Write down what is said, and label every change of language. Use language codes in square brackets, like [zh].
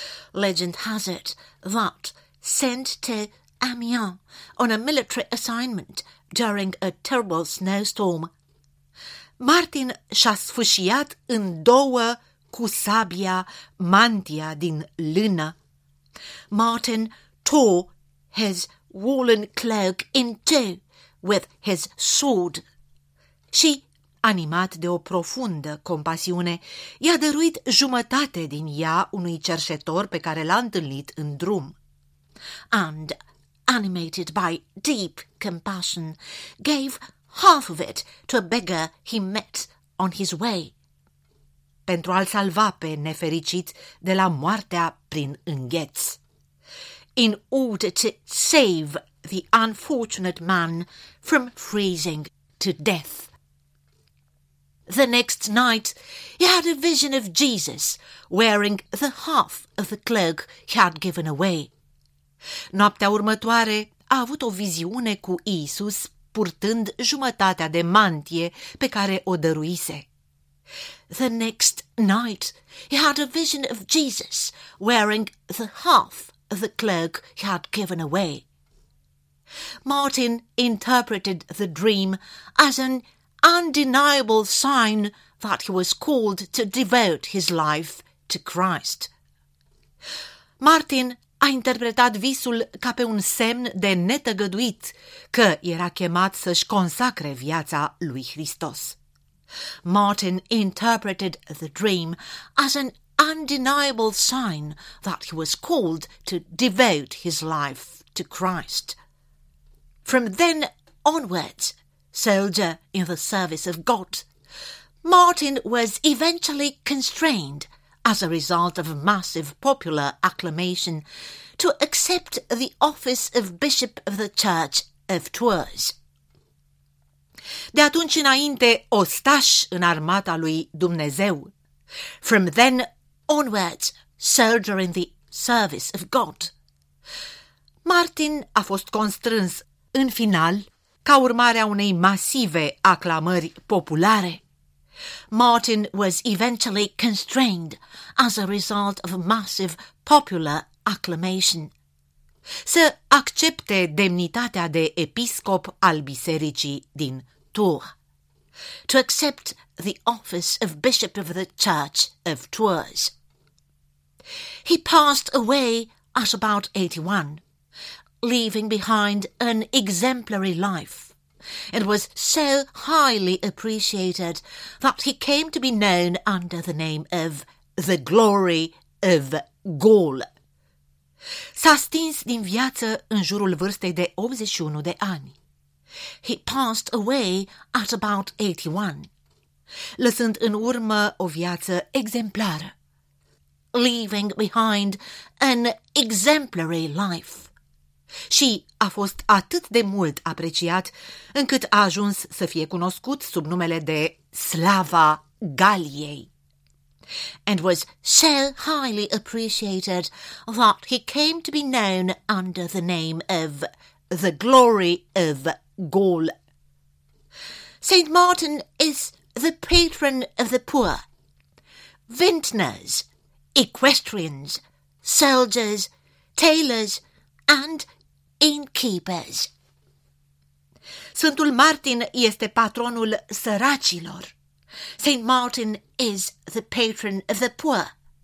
[en] legend has it that, sent to Amiens on a military assignment during a terrible snowstorm, [ro] Martin și-a sfâșiat în două cu sabia mantia din lână. [en] Martin tore his woolen cloak in two with his sword. [ro] Și, animat de o profundă compasiune, i-a dăruit jumătate din ea unui cerșetor pe care l-a întâlnit în drum. [en] And, animated by deep compassion, gave half of it to a beggar he met on his way. [ro] Pentru a-l salva pe nefericit de la moartea prin îngheț. [en] In order to save the unfortunate man from freezing to death. The next night, he had a vision of Jesus wearing the half of the cloak he had given away. [ro] Noaptea următoare a avut o viziune cu Iisus purtând jumătatea de mantie pe care o dăruise. [en] The next night, he had a vision of Jesus wearing the half of the cloak he had given away. Martin interpreted the dream as an undeniable sign that he was called to devote his life to Christ. [ro] Martin a interpretat visul ca pe un semn de netăgăduit că era chemat să-și consacre viața lui Hristos. [en] Martin interpreted the dream as an undeniable sign that he was called to devote his life to Christ. From then onwards, soldier in the service of God, Martin was eventually constrained, as a result of massive popular acclamation, to accept the office of Bishop of the Church of Tours. [ro] De atunci înainte, ostaș în armata lui Dumnezeu. [en] From then onwards, soldier in the service of God. [ro] Martin a fost constrâns, în final, ca urmare a unei masive aclamări populare. [en] Martin was eventually constrained as a result of a massive popular acclamation. [ro] Să accepte demnitatea de episcop al bisericii din Tours. [en] To accept the office of Bishop of the Church of Tours. He passed away at about 81, leaving behind an exemplary life, and was so highly appreciated that he came to be known under the name of the Glory of Gaul. [ro] S-a stins din viață în jurul vârstei de 81 de ani. [en] He passed away at about 81, [ro] lăsând în urmă o viață exemplară. [en] Leaving behind an exemplary life. [ro] și a fost atât de mult apreciat încât a ajuns să fie cunoscut sub numele de Slava Galiei. [en] And was so highly appreciated that he came to be known under the name of the Glory of Gaul. Saint Martin is the patron of the poor. Vintners, equestrians, soldiers, tailors and innkeepers. [ro] Sfântul Martin este patronul săracilor. [en] Saint Martin is the patron of the poor.